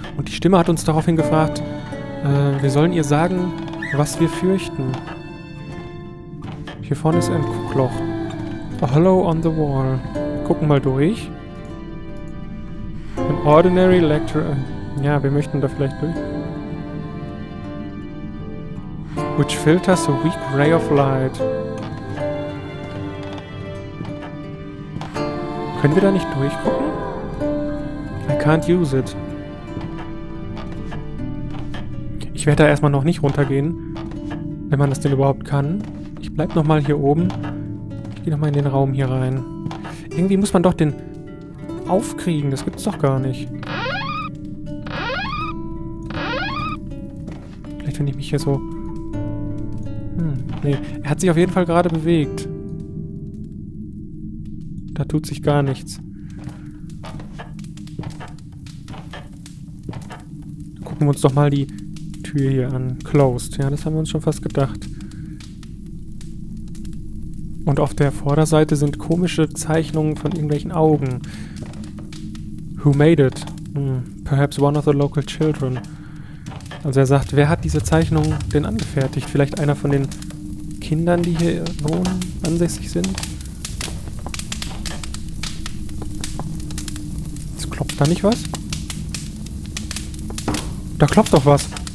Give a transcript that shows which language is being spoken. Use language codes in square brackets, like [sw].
[de] Und die Stimme hat uns daraufhin gefragt, wir sollen ihr sagen, was wir fürchten. Hier vorne ist ein Kuckloch. [en] A hollow on the wall. [de] Gucken mal durch. [en] An ordinary lecture. [de] Ja, wir möchten da vielleicht durch. [en] Which filters a weak ray of light. [de] Können wir da nicht durchgucken? [en] I can't use it. [de] Ich werde da erstmal noch nicht runtergehen, wenn man das denn überhaupt kann. Ich bleib nochmal hier oben. Ich gehe nochmal in den Raum hier rein. Irgendwie muss man doch den aufkriegen. Das gibt's doch gar nicht. Vielleicht wenn ich mich hier so... Nee. Er hat sich auf jeden Fall gerade bewegt. Da tut sich gar nichts. Gucken wir uns doch mal die Tür hier an. Closed. Ja, das haben wir uns schon fast gedacht. Und auf der Vorderseite sind komische Zeichnungen von irgendwelchen Augen. [en] Who made it? Perhaps one of the local children. [de] Also er sagt, wer hat diese Zeichnung denn angefertigt? Vielleicht einer von den Kindern, die hier wohnen, ansässig sind? Klopft da nicht was? Da klopft doch was.